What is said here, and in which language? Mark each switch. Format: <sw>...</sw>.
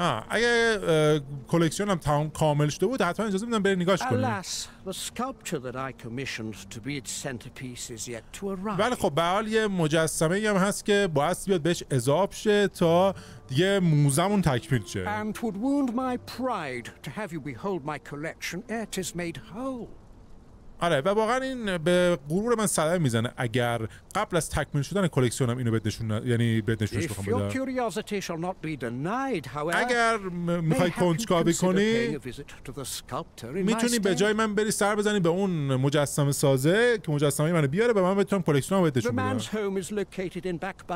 <fa>اگه کلکسیونم تمام کامل شده بود حتما اجازه میدم بری نگاهش کنی. ولی خب به حال یه مجسمه ای هم هست که باید بیاد بهش اضاف شه تا دیگه موزمون تکمیل شه.</fa> <en>And would wound my pride to have you behold my collection ere it is made whole.</en> <fa>آره و واقعا این به غرور من صدمه میزنه اگر قبل از تکمیل شدن کلکسیونم اینو بهت نشونش بخوام بده. اگر میخوای کنجکاوی کنی میتونی به جای من بری سر بزنی به اون مجسمه سازه که مجسمه منو بیاره به من بتونم کلکسیونم بهت نشون بده.</fa>